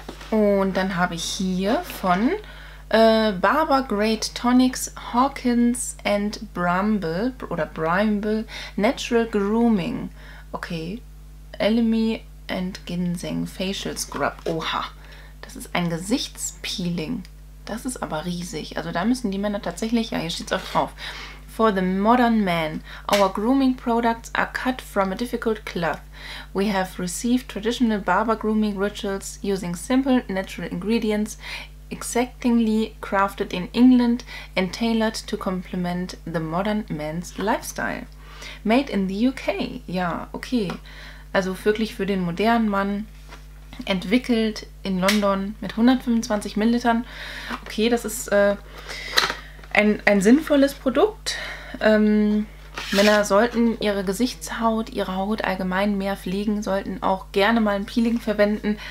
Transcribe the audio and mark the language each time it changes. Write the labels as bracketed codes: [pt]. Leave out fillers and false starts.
[de] Und dann habe ich hier von Barber Grade Tonics Hawkins and Brumble oder Brimble Natural Grooming. Okay. Elemi and Ginseng Facial Scrub. Oha. Das ist ein Gesichtspeeling. Das ist aber riesig. Also da müssen die Männer tatsächlich, ja, hier steht es auch drauf. [en] For the modern man, our grooming products are cut from a difficult cloth. We have received traditional barber grooming rituals using simple natural ingredients. Exactingly crafted in England and tailored to complement the modern man's lifestyle. Made in the UK. [de] Ja, okay. Also wirklich für den modernen Mann. Entwickelt in London mit 125 ml. Okay, das ist ein sinnvolles Produkt. Männer sollten ihre Gesichtshaut, ihre Haut allgemein mehr pflegen, sollten auch gerne mal ein Peeling verwenden.